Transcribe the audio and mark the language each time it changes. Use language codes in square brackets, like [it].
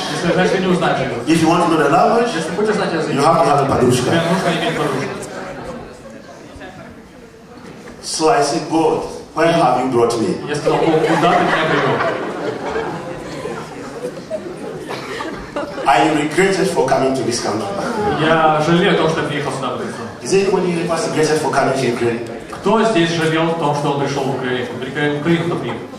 [ru] Если знаешь, ты не узнаешь его. [en] If you want to know the language, [ru] если хочешь знать язык, [en] you have to have a [ru] подружка. Тебе нужно иметь подружку. [en] So I said, God, where have you brought me? [ru] Я сказал, Бог, куда ты меня привел? [en] I regretted for coming to this country. [ru] Я жалею о том, что приехал сюда. [en] Is anybody here was regretted for coming to Ukraine? [ru] Кто здесь жалел о том, что он пришел в Украину? Приехал в Украину, кто приехал?